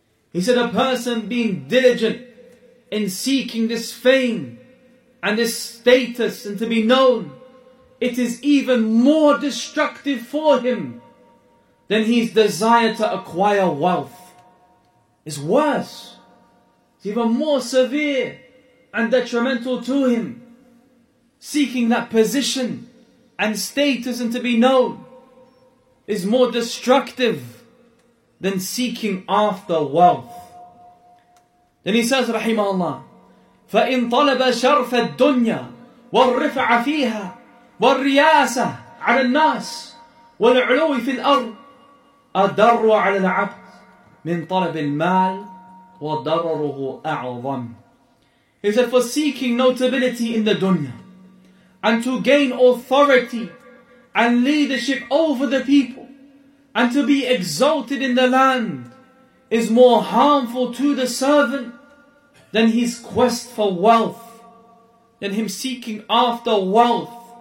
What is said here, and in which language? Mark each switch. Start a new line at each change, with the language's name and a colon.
English: He said, a person being diligent in seeking this fame and this status and to be known, it is even more destructive for him than his desire to acquire wealth. It's worse. It's even more severe and detrimental to him. Seeking that position and status and to be known is more destructive than seeking after wealth. Then he says,
Arabic: Rahimahullah, فَإِن طَلَبَ شَرْفَ الدُّنْيَا وَالرِّفَعَ فِيهَا والرياسة على الناس والعلو في الأرض أدر على العبد من طلب المال وضرره أعظم.
English: He said, for seeking notability in the dunya and to gain authority and leadership over the people and to be exalted in the land is more harmful to the servant than his quest for wealth, than him seeking after wealth.